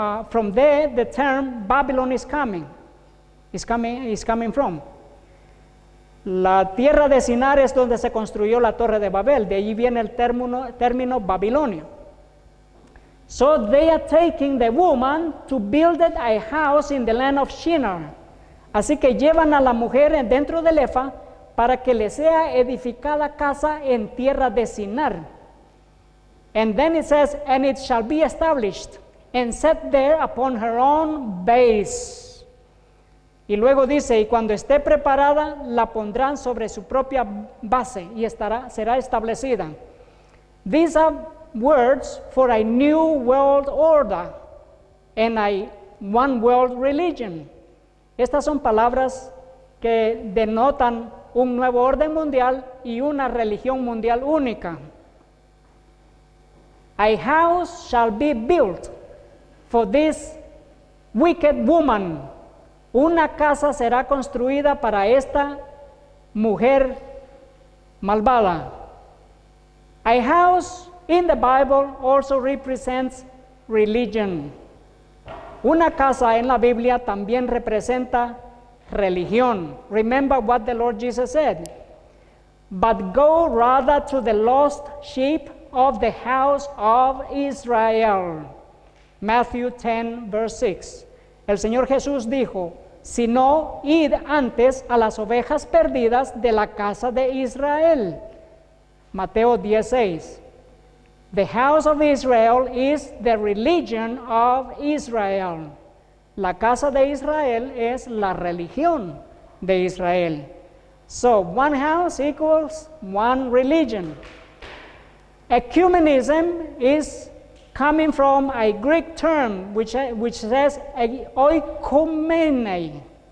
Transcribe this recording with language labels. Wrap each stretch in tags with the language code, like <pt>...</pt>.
<en>From there, the term Babylon is coming from.</en> <es>La tierra de Sinar es donde se construyó la Torre de Babel. De allí viene el término Babilonia.</es> <en>So they are taking the woman to build a house in the land of Shinar.</en> <es>Así que llevan a la mujer dentro del Efa para que le sea edificada casa en tierra de Sinar.</es> <en>And then it says, and it shall be established and set there upon her own base.</en> <es>Y luego dice, y cuando esté preparada, la pondrán sobre su propia base y será establecida.</es> <en>These are words for a new world order and a one world religion.</en> <es>Estas son palabras que denotan un nuevo orden mundial y una religión mundial única.</es> <en>A house shall be built for this wicked woman.</en> <es>Una casa será construida para esta mujer malvada.</es> <en>A house in the Bible also represents religion.</en> <es>Una casa en la Biblia también representa religión.</es> <en>Remember what the Lord Jesus said. But go rather to the lost sheep of the house of Israel. Matthew 10, verse 6.</en> <es>El Señor Jesús dijo, sino id antes a las ovejas perdidas de la casa de Israel. Mateo 16.</es> <en>The house of Israel is the religion of Israel.</en> <es>La casa de Israel es la religión de Israel.</es> <en>So one house equals one religion. Ecumenism is coming from a Greek term which says oikoumene.</en>